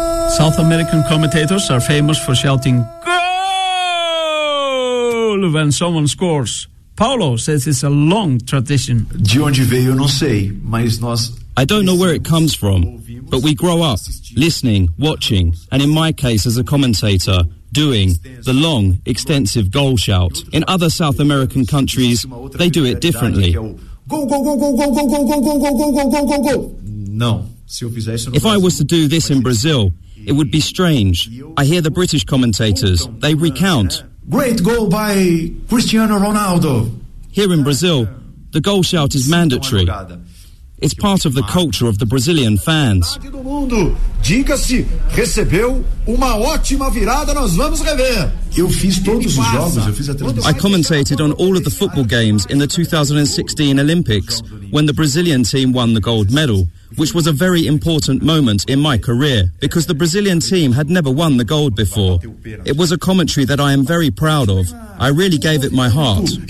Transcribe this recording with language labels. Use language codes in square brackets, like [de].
[en] South American commentators are famous for shouting, goal! When someone scores. Paulo says it's a long tradition. [pt] De onde veio, não sei, mas nós... [en] I don't know where it comes from, but we grow up listening, watching, and in my case as a commentator, doing the long, extensive goal shout. In other South American countries, they do it differently. Go, go, go, go, go, go, go, go, go, go, go, go, go, go, go. No. If I was to do this in Brazil, it would be strange. I hear the British commentators, they recount... Great goal by Cristiano Ronaldo. Here in Brazil, the goal shout is mandatory. It's part of the culture of the Brazilian fans. [pt] Diga-se, recebeu uma ótima virada, nós vamos rever. Eu fiz todos os jogos, eu fiz a transmissão. [en] I commentated on all of the football games in the 2016 Olympics when the Brazilian team won the gold medal, which was a very important moment in my career because the Brazilian team had never won the gold before. It was a commentary that I am very proud of. I really gave it my heart.